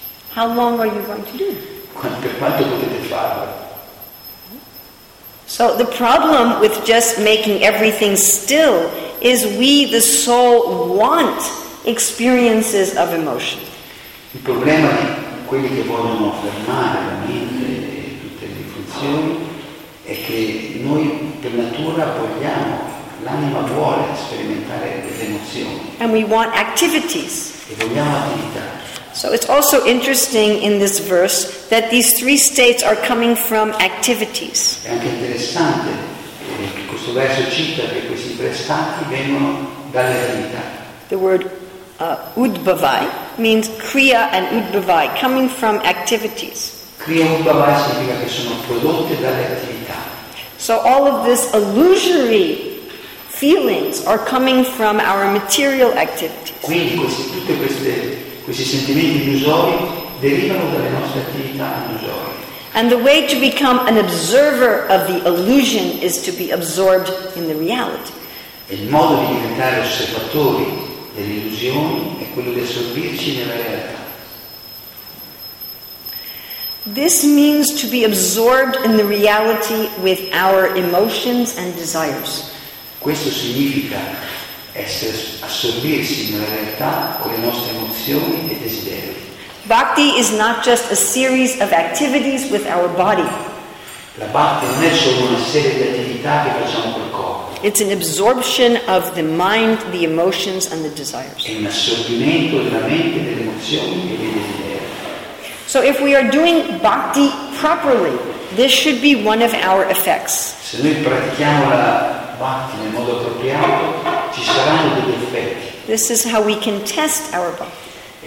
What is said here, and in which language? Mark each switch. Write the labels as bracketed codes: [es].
[en] How long are you going to do? [it] Per quanto potete farlo? [en] So the problem with just making everything still is we, the soul, want experiences of emotion. [it] Il problema è quelli che vogliono fermare la mente e tutte le funzioni è che noi per natura vogliamo, l'anima vuole sperimentare le emozioni. [en] And we want activities. [it] E vogliamo attività. [en] So it's also interesting in this verse that these three states are coming from activities. [it] È anche interessante che questo verso cita che questi tre stati vengono dalle attività. [en] The word udbhavai means kriya and udbhavai, coming from activities. [it] Kriya udbhavai significa che sono prodotte dalle attività. [en] So all of this illusory feelings are coming from our material activities. [it] Quindi tutte questi sentimenti illusori derivano dalle nostre attività illusorie. [en] And the way to become an observer of the illusion is to be absorbed in the reality. [it] Il modo di diventare osservatori delle illusioni è quello di assorbirci nella realtà. [en] This means to be absorbed in the reality with our emotions and desires. [it] Questo significa assorbirsi nella realtà con le nostre emozioni e desideri. [en] Bhakti is not just a series of activities with our body. [it] La bhakti non è solo una serie di attività che facciamo col corpo. [en] It's an absorption of the mind, the emotions, and the desires. [it] È un assorbimento della mente, delle emozioni e dei desideri. [en] So if we are doing bhakti properly, this should be one of our effects. [it] Se noi pratichiamo la bhakti nel modo appropriato, ci saranno degli effetti. [en] This is how we can test our bhakti.